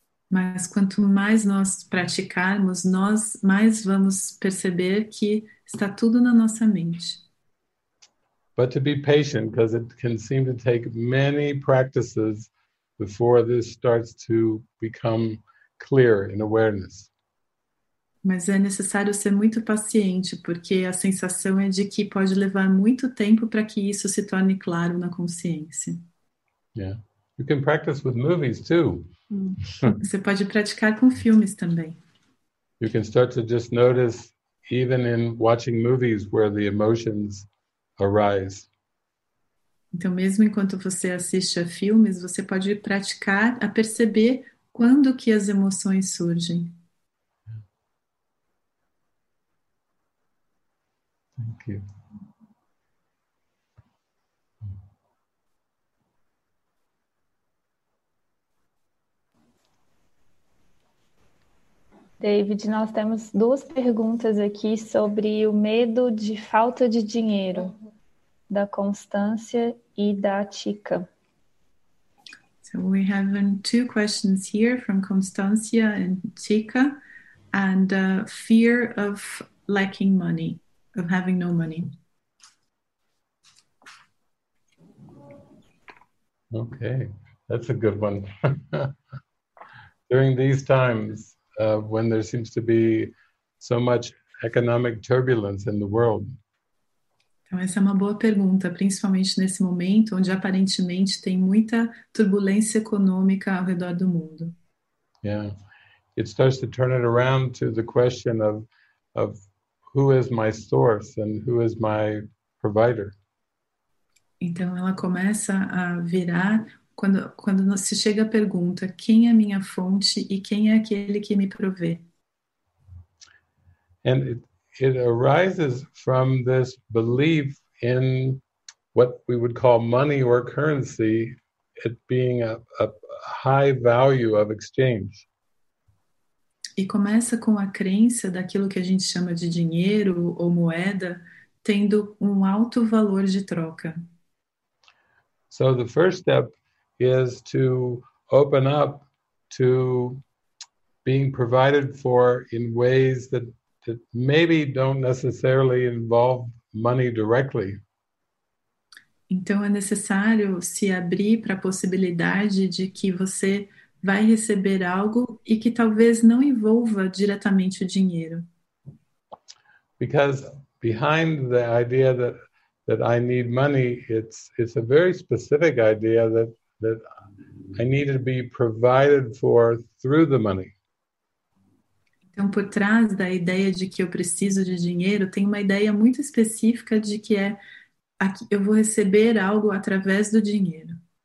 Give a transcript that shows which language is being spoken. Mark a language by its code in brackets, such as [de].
[pt] Mas quanto mais nós praticarmos, nós mais vamos perceber que está tudo na nossa mente. [en] But to be patient, because it can seem to take many practices before this starts to become clear in awareness. [pt] Mas é necessário ser muito paciente, porque a sensação é de que pode levar muito tempo para que isso se torne claro na consciência. [en] Yeah. You can practice with movies too. [pt] Você pode praticar com filmes também. [en] You can start to just notice, even in watching movies, where the emotions arise. [pt] Então, mesmo enquanto você assiste a filmes, você pode praticar a perceber quando que as emoções surgem. [en] Thank you. [pt] David, nós temos duas perguntas aqui sobre o medo de falta de dinheiro, da constância e da tica. [en] So we have two questions here from Constancia and Tika, and fear of lacking money, of having no money. Okay, that's a good one. During these times, when there seems to be so much economic turbulence in the world. [pt] Então, essa é uma boa pergunta, principalmente nesse momento onde aparentemente tem muita turbulência econômica ao redor do mundo. [en] Yeah. It starts to turn it around to the question of who is my source and who is my provider. [pt] Então, ela começa a virar quando se chega a pergunta, quem é minha fonte e quem é aquele que me provê? [en] And it arises from this belief in what we would call money or currency, it being a high value of exchange. [pt] E começa com a crença daquilo que a gente chama de dinheiro ou moeda tendo alto valor de troca. [en] So the first step is to open up to being provided for in ways that maybe don't necessarily involve money directly. [pt] Então é necessário se abrir para a possibilidade de que você vai receber algo e que talvez não envolva diretamente o dinheiro. [en] Because behind the idea that I need money, it's a very specific idea that I need to be provided for through the money. [pt] Então, por trás da ideia de que eu preciso de dinheiro, tem uma ideia muito específica de que é aqui, eu vou receber algo através do dinheiro.